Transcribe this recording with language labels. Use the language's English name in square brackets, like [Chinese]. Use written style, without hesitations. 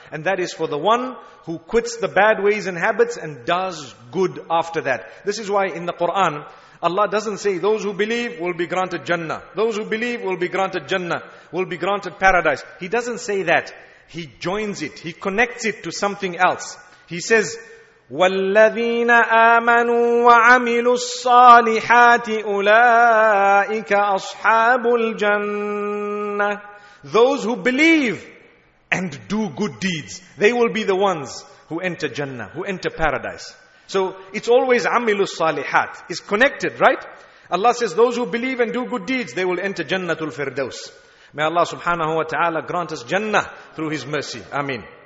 [English] And that is for the one who quits the bad ways and habits and does good after that. This is why in the Quran, Allah doesn't say, those who believe will be granted Jannah. Those who believe will be granted Jannah, will be granted paradise. He doesn't say that. He joins it. He connects it to something else. He says, [Arabic] وَالَّذِينَ آمَنُوا وَعَمِلُوا الصَّالِحَاتِ أُولَٰئِكَ أَصْحَابُ الْجَنَّةِ. [English] Those who believe and do good deeds, they will be the ones who enter Jannah, who enter paradise. So it's always [Arabic] عَمِلُوا الصَّالِحَاتِ. [English] It's connected, right? Allah says, those who believe and do good deeds, they will enter Jannatul Firdaus. May Allah subhanahu wa ta'ala grant us Jannah through His mercy. Ameen.